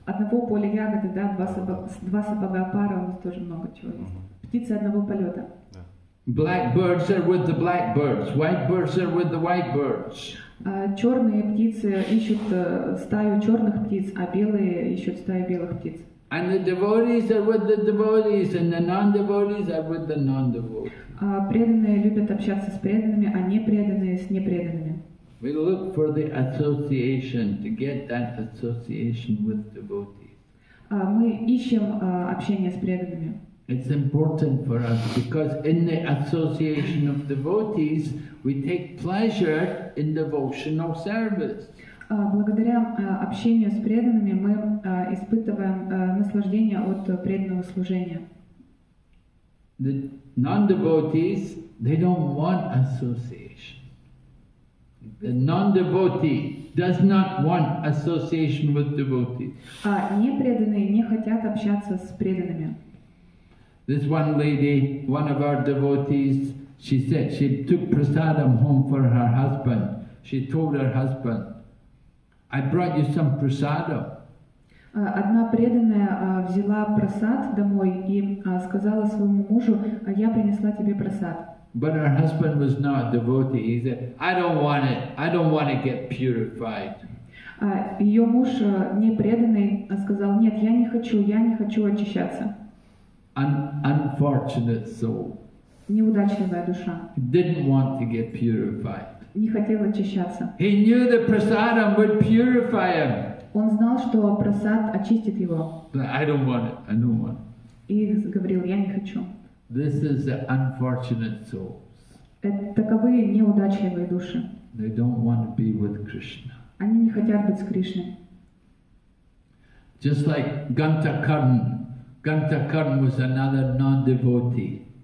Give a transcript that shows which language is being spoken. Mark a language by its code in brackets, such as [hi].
[ru] Одного поля ягоды, да, два сапога пара, у нас тоже много чего есть. Птицы одного полета. [en] Blackbirds are with the blackbirds. Whitebirds are with the whitebirds. [ru] Черные птицы ищут стаю черных птиц, а белые ищут стаю белых птиц. [en] And the devotees are with the devotees, and the non-devotees are with the non-devotees. [ru] Преданные любят общаться с преданными, а непреданные с непреданными. [en] We look for the association to get that association with devotees. [ru] Мы ищем общение с преданными. [en] It's important for us because in the association of devotees, we take pleasure in devotional service. [ru] Благодаря общению с преданными мы испытываем наслаждение от преданного служения. [en] The non-devotees, they don't want association. The non-devotee does not want association with devotees. [ru] Непреданные не хотят общаться с преданными. [en] This one lady, one of our devotees, she said she took prasadam home for her husband. She told her husband, I brought you some prasadam. [ru] Одна преданная взяла прасад домой и сказала своему мужу, я принесла тебе прасад. [en] But her husband was not a devotee. He said, I don't want it. I don't want to get purified. [ru] Ее муж непреданный сказал, нет, я не хочу очищаться. [en] An unfortunate soul. [ru] неудачливая душа. [en] He didn't want to get purified. [ru] Не хотел очищаться. [en] He knew the prasadam would purify him. [ru] Он знал, что прасад очистит его. [en] I don't want it. I don't want it. [ru] И говорил, я не хочу. [en] This is the unfortunate souls. [ru] Таковы неудачливые души. [en] They don't want to be with Krishna. [ru] Они не хотят быть с Кришной. [en] Just like Gantakarna was another non-devotee.